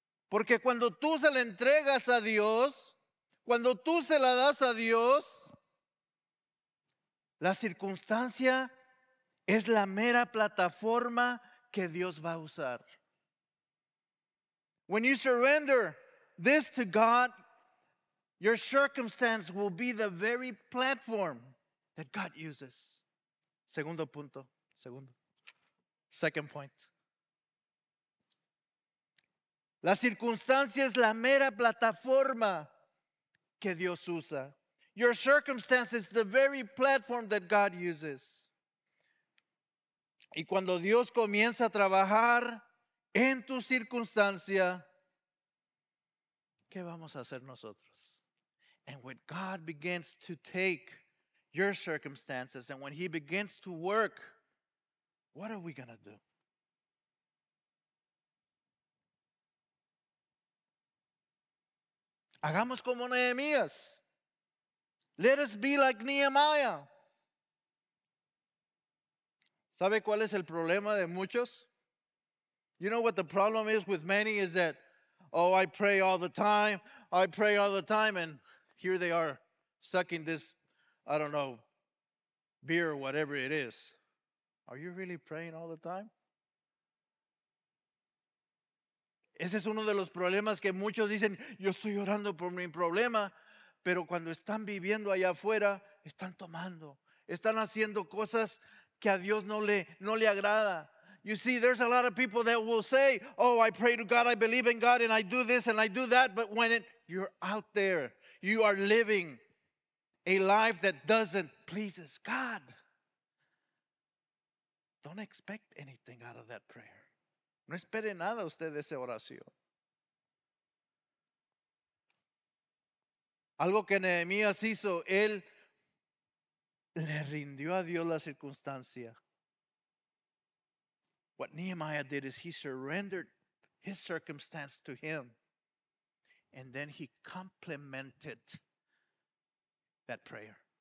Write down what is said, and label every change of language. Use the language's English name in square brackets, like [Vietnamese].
[Spanish] Porque cuando tú se la entregas a Dios, cuando tú se la das a Dios, la circunstancia es la mera plataforma que Dios va a usar. [English] When you surrender this to God, your circumstance will be the very platform that God uses. [Spanish] Segundo punto. [English] Second point. [Spanish] La circunstancia es la mera plataforma que Dios usa. [English] Your circumstance is the very platform that God uses. [Spanish] Y cuando Dios comienza a trabajar en tu circunstancia, ¿qué vamos a hacer nosotros? [English] And when God begins to take your circumstances and when he begins to work, what are we going to do? [Spanish] Hagamos como Nehemías. [English] Let us be like Nehemiah. [Spanish] ¿Sabe cuál es el problema de muchos? [English] You know what the problem is with many is that, oh, I pray all the time. I pray all the time. And here they are sucking this, I don't know, beer or whatever it is. Are you really praying all the time? [Spanish] Ese es uno de los problemas que muchos dicen, yo estoy orando por mi problema. Pero cuando están viviendo allá afuera, están tomando. Están haciendo cosas que a Dios no le agrada. [English] You see, there's a lot of people that will say, oh, I pray to God, I believe in God, and I do this and I do that. But when you're out there, you are living a life that doesn't please God. Don't expect anything out of that prayer. [Spanish] No espere nada usted de esa oración. Algo que Nehemías hizo, él le rindió a Dios la circunstancia. [English] What Nehemiah did is he surrendered his circumstance to him. And then he complemented that prayer.